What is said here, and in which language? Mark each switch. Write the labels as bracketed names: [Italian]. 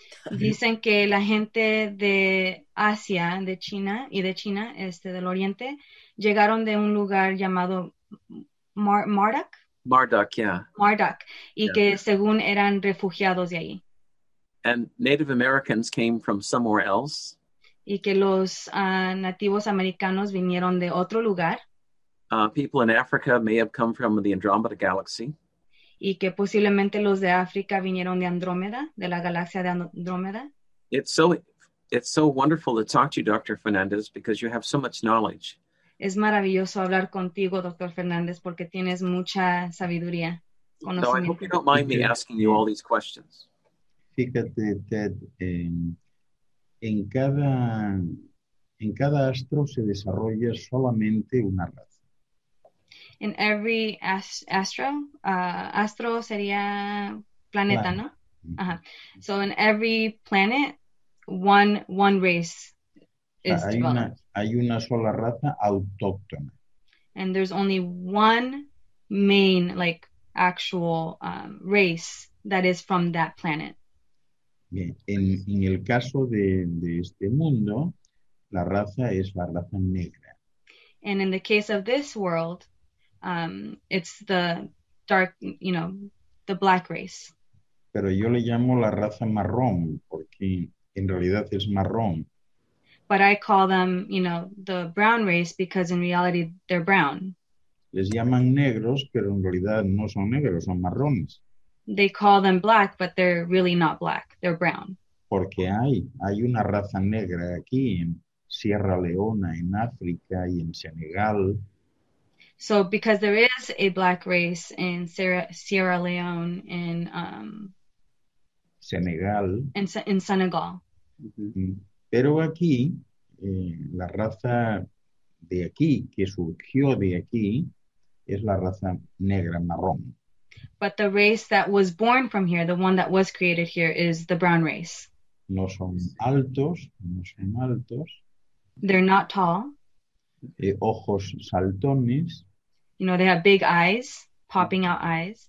[Spanish] Dicen que la gente de Asia, de China y de China, del Oriente, llegaron de un lugar llamado Marduk. [English] Marduk, yeah. [Spanish] Marduk, que según eran refugiados de ahí. [English] And Native Americans came from somewhere else. [Spanish] Y que los nativos americanos vinieron de otro lugar. [English] People in Africa may have come from the Andromeda Galaxy. [Spanish] Y que posiblemente los de África vinieron de Andrómeda, de la galaxia de Andrómeda. [English] It's so wonderful to talk to you, Dr. Fernandez, because you have so much knowledge. [Spanish] Es maravilloso hablar contigo, Dr. Fernandez, porque tienes mucha sabiduría. [English] So I hope you don't mind me asking you all these questions. [Spanish] Fíjate, Ted, en cada astro se desarrolla solamente una raza. [English] In every astro [Spanish] sería planeta, ¿no? Uh-huh. [English] So in every planet, one race is developed. [Spanish] Hay una sola raza autóctona. [English] And there's only one main, like, actual race that is from that planet. [Spanish] Bien. En el caso de este mundo, la raza es la raza negra. [English] And in the case of this world, it's the dark, you know, the black race. [Spanish] Pero yo le llamo la raza marrón, porque en realidad es marrón. [English] but I call them, you know, the brown race because in reality they're brown. [Spanish] Les llaman negros, pero en realidad no son negros, son marrones. [English] They call them black, but they're really not black. They're brown. [Spanish] Porque hay una raza negra aquí en Sierra Leona, en África y en Senegal. [English] So because there is a black race in Sierra Leone and Senegal. In Senegal. Mm-hmm. [Spanish] Pero aquí, la raza de aquí, que surgió de aquí, es la raza negra marrón. [English] But the race that was born from here, the one that was created here, is the brown race. [Spanish] No son altos, no son altos. [English] They're not tall. [Spanish] Ojos saltones. [English] You know, they have big eyes, popping out eyes.